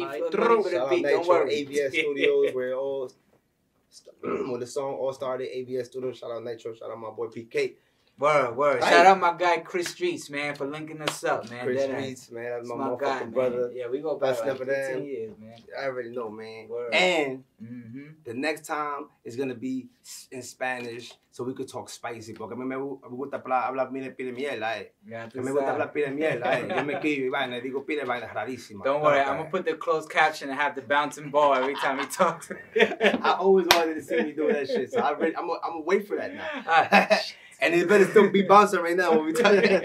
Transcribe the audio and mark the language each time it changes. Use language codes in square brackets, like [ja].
[en] Don't worry. ABS Studios, where it all when the song all started, ABS Studio, shout out Nitro, shout out my boy PK. Word. Right. Shout out my guy Chris Streets, man, for linking us up, man. Chris Streets, man, that's my motherfucking brother. Yeah, we go back like 15 years, man. I already know, man. Word. And the next time is going to be in Spanish, so we could talk spicy. [es] Porque a mí me gusta hablar pile pile miela, eh. A mí me gusta hablar pile miela, eh. Yo me quiero, vaina, digo pile vaina, rarísima. [en] Don't worry, I'm going to put the closed caption and have the bouncing ball every time he talks. I always wanted to see me do that shit, so I'm going to wait for that now. And it better still be bouncing right now when we talk.